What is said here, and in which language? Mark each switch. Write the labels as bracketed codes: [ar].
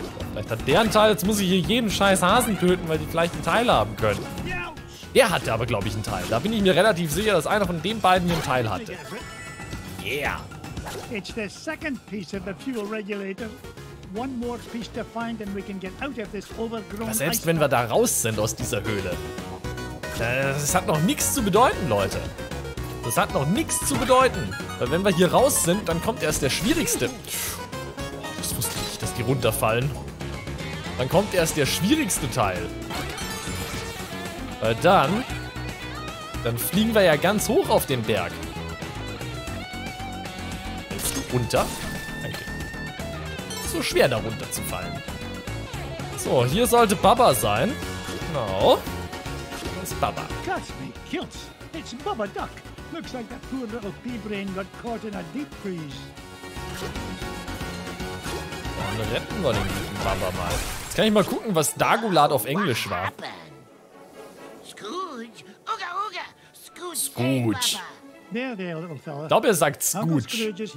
[de] Vielleicht hat der einen Teil. Jetzt muss ich hier jeden scheiß Hasen töten, weil die vielleicht einen Teil haben können. Der hatte aber, glaube ich, einen Teil. Da bin ich mir relativ sicher, dass einer von den beiden hier einen Teil hatte. [en] Yeah! It's the second piece of the fuel regulator. One more piece to find and we can get out of this overgrown. [de] Aber selbst wenn wir da raus sind aus dieser Höhle. Das hat noch nichts zu bedeuten, Leute. Das hat noch nichts zu bedeuten. Weil wenn wir hier raus sind, dann kommt erst der schwierigste. Das wusste ich nicht, dass die runterfallen. Dann kommt erst der schwierigste Teil. Weil dann. Dann fliegen wir ja ganz hoch auf den Berg. Runter. Danke. So schwer da runter zu fallen. So, hier sollte Baba sein. Genau. Das ist Baba. [en] Cut me, kills. It's Baba Duck. Looks like that poor little pea brain got caught in a deep freeze. [de] Dann retten wir den guten Baba mal. Jetzt kann ich mal gucken, was Dagulat auf Englisch war. Scrooge. Uga, uga. Scrooge. Ich glaube, er sagt Scrooge.